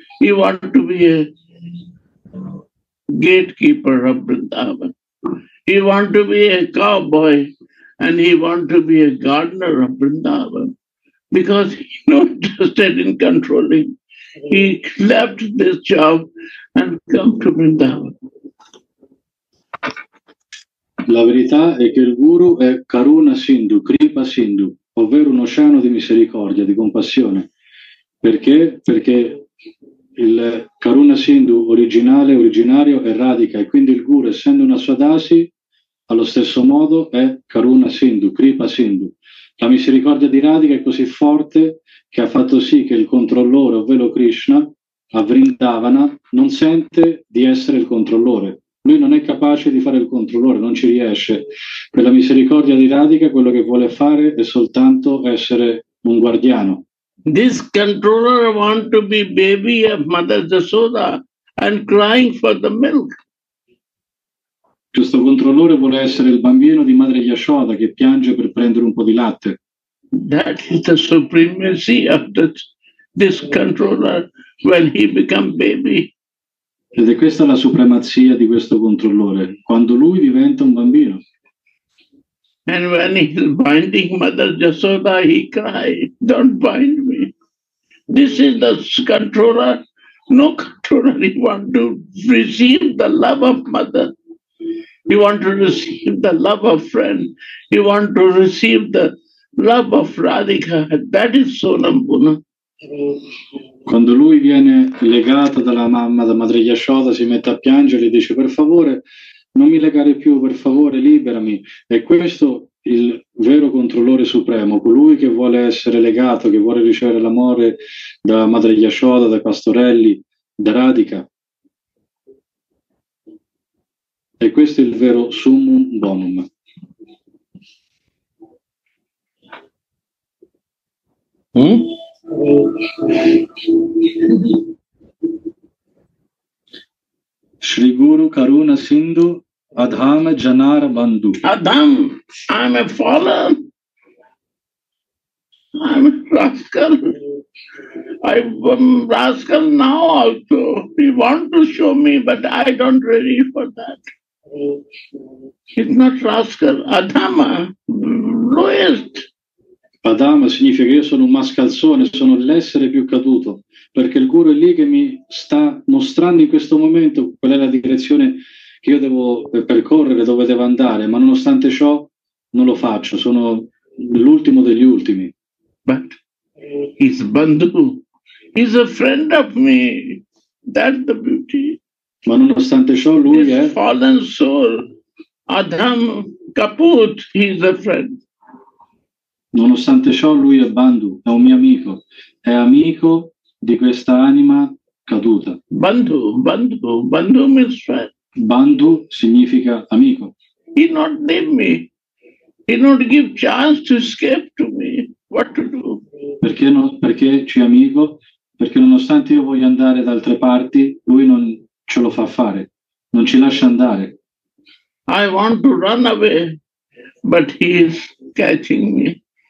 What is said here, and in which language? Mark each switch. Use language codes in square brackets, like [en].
[en] He want to be a gatekeeper of Vrindavan. He want to be a cowboy and he want to be a gardener of Vrindavan because he's not interested in controlling. He left this job and come to Vrindavan. [it] La verità è che il guru è Karuna Sindhu, Kripa Sindhu, ovvero un oceano di misericordia, di compassione. Perché? Perché il Karuna Sindhu originale, originario è Radhika e quindi il guru, essendo una Swadasi, allo stesso modo è Karuna Sindhu, Kripa Sindhu. La misericordia di Radhika è così forte che ha fatto sì che il controllore, ovvero Krishna, a Vrindavana, non sente di essere il controllore. Lui non è capace di fare il controllore, non ci riesce. Per la misericordia di Radhika, quello che vuole fare è soltanto essere un guardiano. [en] This controller wants to be baby of Mother Yashoda and crying for the milk. [it] Questo controllore vuole essere il bambino di Madre Yashoda che piange per prendere un po' di latte. [en] That is the supremacy of this controller when he becomes baby. [it] Ed è questa la supremazia di questo controllore quando lui diventa un bambino. [en] And when he is binding Mother Yashoda, he cries, "Don't bind me." This is the controller. No controller. He wants to receive the love of mother. He wants to receive the love of friend. He wants to receive the love of Radhika. That is Sonambuna. [it] Quando lui viene legato dalla mamma, da Madre Yashoda, si mette a piangere e dice, per favore, non mi legare più, per favore, liberami. E questo è il vero controllore supremo, colui che vuole essere legato, che vuole ricevere l'amore da Madre Yashoda, dai pastorelli, da Radhika. E questo è il vero summum bonum. [sa] Shri Guru Karuna Sindhu Adham Janar Bandhu. [en] Adham, I'm a fallen. I'm a rascal. I'm a rascal now also. He wants to show me, but I don't ready for that. He's not rascal. Adham, lowest. [it] Adam significa che io sono un mascalzone, sono l'essere più caduto, perché il guru è lì che mi sta mostrando in questo momento qual è la direzione che io devo percorrere, dove devo andare, ma nonostante ciò non lo faccio, sono l'ultimo degli ultimi. [en] But he's Bandhu, he's a friend of me, that's the beauty. [it] Ma nonostante ciò lui [en] this [it] è... [en] fallen soul, Adam Kaput, he's a friend. [it] Nonostante ciò, lui è Bandhu, è un mio amico, è amico di questa anima caduta. [en] Bandhu, Bandhu, Bandhu means friend. [it] Bandhu significa amico. [en] He not leave me, he not give chance to escape to me, what to do? [it] Perché, no, perché c'è amico? Perché nonostante io voglia andare da altre parti, lui non ce lo fa fare, non ci lascia andare. [en] I want to run away, but he is catching me.